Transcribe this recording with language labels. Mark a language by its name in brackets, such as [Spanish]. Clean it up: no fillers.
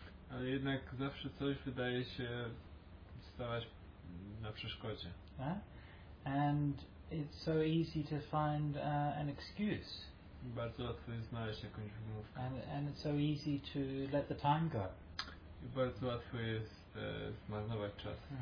[Polish] Ale jednak zawsze coś wydaje się stawać na przeszkodzie. [English] And it's so easy to find an excuse. [Polish] Bardzo łatwo jest znaleźć jakąś wymówkę. [English] And it's so easy to let the time go. [Polish] I bardzo łatwo jest zmarnować czas.